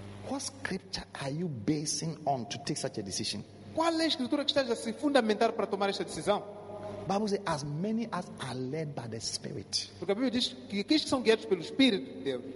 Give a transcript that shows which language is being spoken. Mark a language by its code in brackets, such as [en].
[en] What scripture are you basing on to take such a decision? [pt] Qual é a escritura que está a se fundamentar para tomar esta decisão? [en] Bible says, as many as are led by the Spirit. [pt] Porque a Bíblia diz que aqueles que são guiados pelo Espírito de Deus.